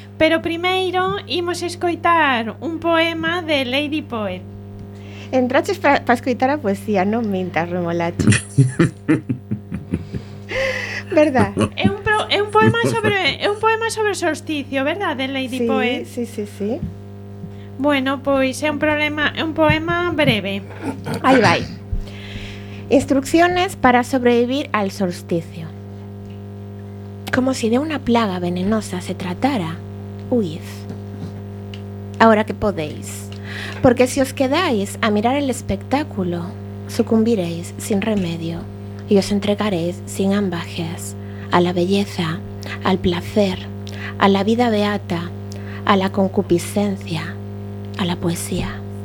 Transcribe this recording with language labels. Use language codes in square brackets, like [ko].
[gl] Pero primeiro imos escoitar un poema de Lady Poet. Entraches pa escoitar a poesía, non mintas, Remolacho. [es] Verdad. [gl] É un poema sobre o solsticio, ¿verdad? De Lady Poet. Sí, sí, sí. Bueno, pois é un poema breve. Aí vai. [es] Instrucciones para sobrevivir al solsticio. Como si de una plaga venenosa se tratara, huid. Ahora que podéis, porque si os quedáis a mirar el espectáculo, sucumbiréis sin remedio y os entregaréis sin ambages a la belleza, al placer, a la vida beata, a la concupiscencia, a la poesía.